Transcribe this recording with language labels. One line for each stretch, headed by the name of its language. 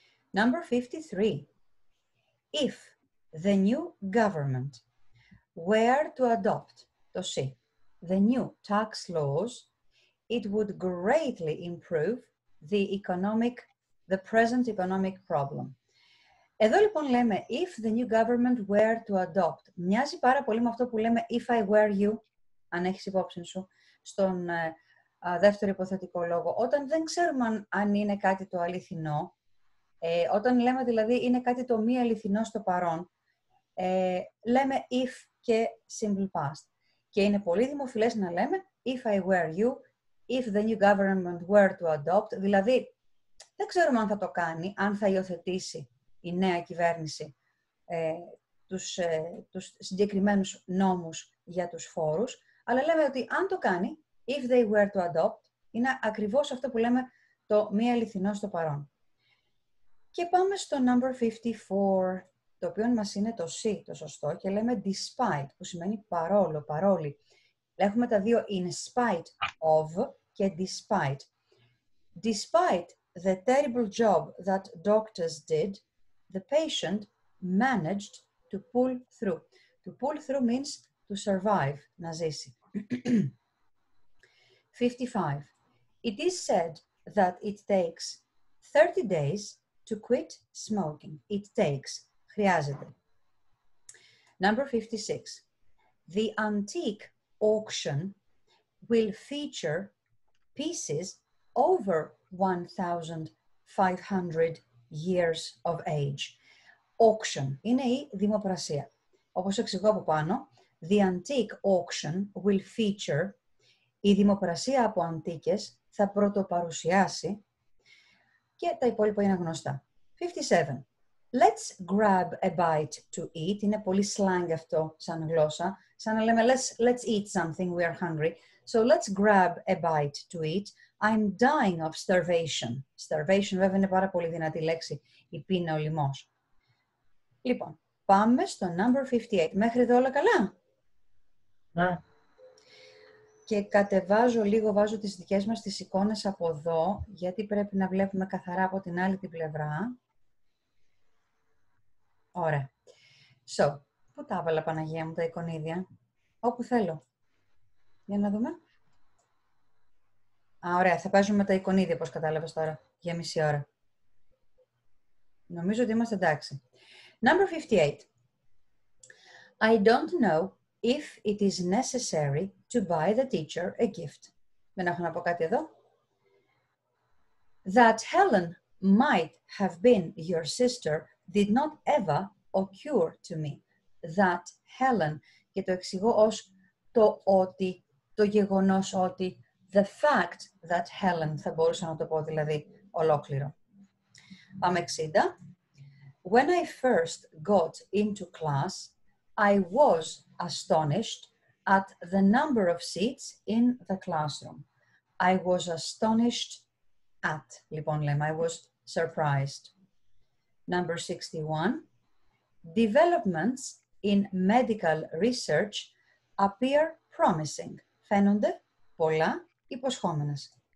English: Number 53. If the new government were to adopt, το C, the new tax laws, it would greatly improve the present economic problem.
Greek: Εδώ λοιπόν λέμε,
English: if the new government were to adopt,
Greek: μοιάζει πάρα πολύ με αυτό που λέμε,
English: if I were you,
Greek: αν έχεις υπόψη σου, στον δεύτερο υποθετικό λόγο, όταν δεν ξέρουμε αν είναι κάτι το αληθινό, όταν λέμε δηλαδή είναι κάτι το μη αληθινό στο παρόν, λέμε if και simple past. Και είναι πολύ δημοφιλές να λέμε,
English: if I were you, if the new government were to adopt,
Greek: δηλαδή δεν ξέρουμε αν θα το κάνει, αν θα υιοθετήσει η νέα κυβέρνηση τους συγκεκριμένους νόμους για τους φόρους, αλλά λέμε ότι αν το κάνει,
English: if they were to adopt,
Greek: είναι ακριβώς αυτό που λέμε το μη αληθινό στο παρόν. Και πάμε στο number 54, το οποίο μας είναι το C, το σωστό, και λέμε despite, που σημαίνει παρόλο, παρόλη. Έχουμε τα δύο in spite of και despite.
English: Despite the terrible job that doctors did, the patient managed to pull through. To pull through means to survive,
Greek: να ζήσει.
English: 55. It is said that it takes 30 days to quit smoking. It takes,
Greek: χρειάζεται.
English: Number 56. The antique auction will feature pieces over 1,500 years of age.
Greek: Auction είναι η δημοπρασία. Όπως εξηγώ από πάνω,
English: the antique auction will feature,
Greek: η δημοπρασία από αντίκες θα πρωτοπαρουσιάσει, και τα υπόλοιπα είναι γνωστά. 57.
English: Let's grab a bite to eat.
Greek: Είναι πολύ slang αυτό σαν γλώσσα. Σαν να λέμε
English: let's eat something, we are hungry. So let's grab a bite to eat. I'm dying of starvation.
Greek: Starvation βέβαια είναι πάρα πολύ δυνατή λέξη. Η πείνα, ο λοιμός. Λοιπόν, πάμε στο number 58. Μέχρι εδώ όλα καλά? Ναι. Και κατεβάζω λίγο, βάζω τις δικές μας τις εικόνες από εδώ, γιατί πρέπει να βλέπουμε καθαρά από την άλλη την πλευρά. Ωραία. So, πού τα έβαλα, Παναγία μου, τα εικονίδια? Όπου θέλω. Για να δούμε. Α, ωραία, θα παίζουμε τα εικονίδια, όπως κατάλαβες τώρα, για μισή ώρα. Νομίζω ότι είμαστε εντάξει.
English: Number 58. I don't know if it is necessary to buy the teacher a gift.
Greek: Δεν έχω να πω κάτι εδώ.
English: That Helen might have been your sister did not ever occur to me.
Greek: That Helen, και το εξηγώ ως το ότι, το γεγονός ότι,
English: the fact that Helen,
Greek: θα μπορούσα να το πω δηλαδή ολόκληρο. Πάμε 60.
English: When I first got into class, I was astonished at the number of seats in the classroom. I was astonished at,
Greek: λοιπόν λέμε,
English: I was surprised. Number 61. Developments in medical research appear promising.
Greek: Φαίνονται πολλά υποσχόμενες.